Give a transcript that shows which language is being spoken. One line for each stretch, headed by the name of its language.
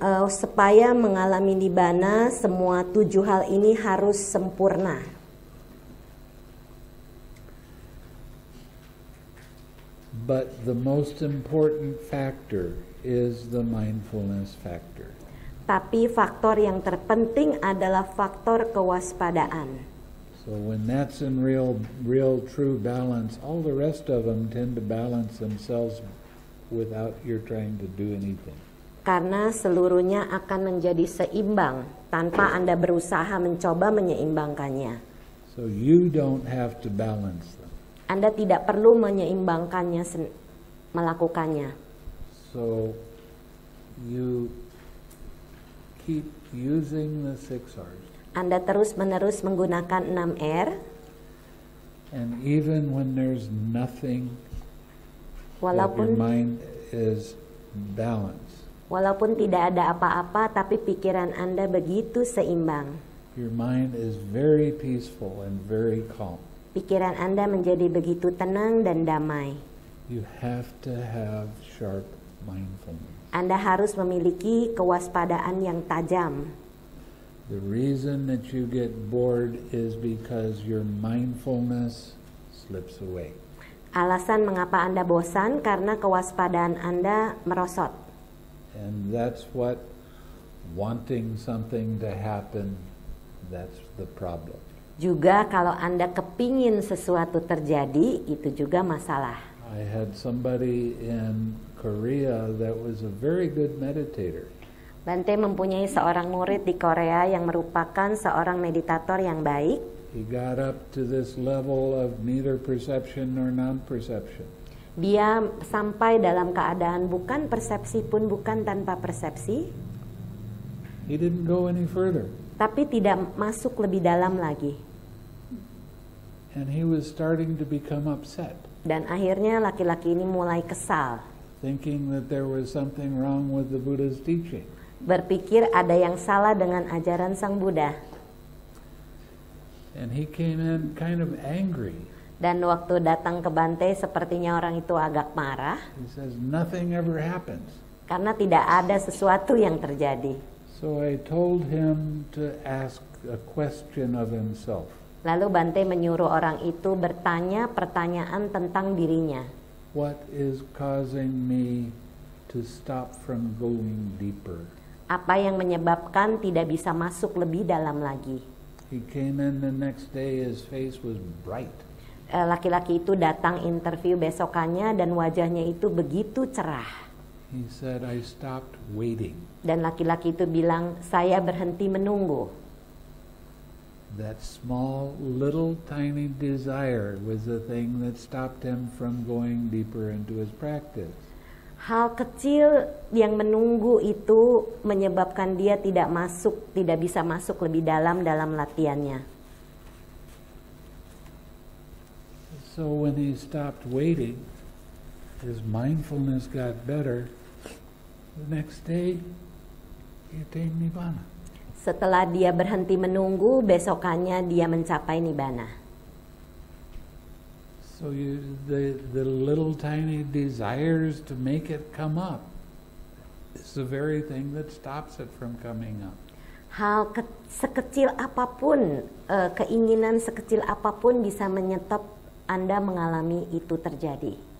Indonesian: Supaya mengalami nibbana, semua 7 hal ini harus sempurna.
English: But the most important factor is the mindfulness factor.
Indonesian: Tapi faktor yang terpenting adalah faktor kewaspadaan.
English: So when that's in real true balance, all the rest of them tend to balance themselves without your trying to do anything.
Indonesian: Karena seluruhnya akan menjadi seimbang tanpa Anda berusaha mencoba menyeimbangkannya.
English: So you don't have to balance them.
Indonesian: Anda tidak perlu menyeimbangkannya, melakukannya.
English: So you keep using the six R's.
Indonesian: Anda terus-menerus menggunakan 6 R.
English: And even when there's nothing,
Indonesian: walaupun,
English: your mind is balanced.
Indonesian: Walaupun tidak ada apa-apa, tapi pikiran Anda begitu seimbang.
English: Your mind is very peaceful and very calm.
Indonesian: Pikiran Anda menjadi begitu tenang dan damai.
English: You have to have sharp mindfulness.
Indonesian: Anda harus memiliki kewaspadaan yang tajam.
English: The reason that you get bored is because your mindfulness slips away.
Indonesian: Alasan mengapa Anda bosan karena kewaspadaan Anda merosot.
English: And that's what wanting something to happen, that's the problem.
Indonesian: Juga kalau Anda kepingin sesuatu terjadi, itu juga masalah.
English: I had somebody in Korea that was a very good meditator.
Indonesian: Bante mempunyai seorang murid di Korea yang merupakan seorang meditator yang baik.
English: He got up to this level of neither perception nor non-perception.
Indonesian: Dia sampai dalam keadaan bukan persepsi pun bukan tanpa persepsi.
English: He didn't go any further.
Indonesian: Tapi tidak masuk lebih dalam lagi.
English: And he was starting to become upset.
Indonesian: Dan akhirnya laki-laki ini mulai kesal.
English: Thinking that there was something wrong with the Buddha's teaching.
Indonesian: Berpikir ada yang salah dengan ajaran Sang Buddha.
English: And he came in kind of angry.
Indonesian: Dan waktu datang ke Bante, sepertinya orang itu agak marah.
English: He says nothing ever happens.
Indonesian: Karena tidak ada sesuatu yang terjadi.
English: So I told him to ask a question of himself.
Indonesian: Lalu Bante menyuruh orang itu bertanya pertanyaan tentang dirinya.
English: What is causing me to stop from going deeper?
Indonesian: Apa yang menyebabkan tidak bisa masuk lebih dalam lagi?
English: He came in the next day, his face was bright.
Indonesian: Laki-laki itu datang interview besokannya dan wajahnya itu begitu cerah.
English: He said, I stopped waiting.
Indonesian: Dan laki-laki itu bilang, saya berhenti menunggu.
English: That small, little, tiny desire was the thing that stopped him from going deeper into his practice.
Indonesian: Hal kecil yang menunggu itu menyebabkan dia tidak masuk, tidak bisa masuk lebih dalam dalam latihannya.
English: So when he stopped waiting, his mindfulness got better. The next day, he attained nibbana.
Indonesian: Setelah dia berhenti menunggu, besokannya dia mencapai nibbana.
English: So you, the little tiny desires to make it come up is the very thing that stops it from coming up.
Indonesian: Hal sekecil apapun, keinginan sekecil apapun bisa menyetop Anda mengalami itu terjadi.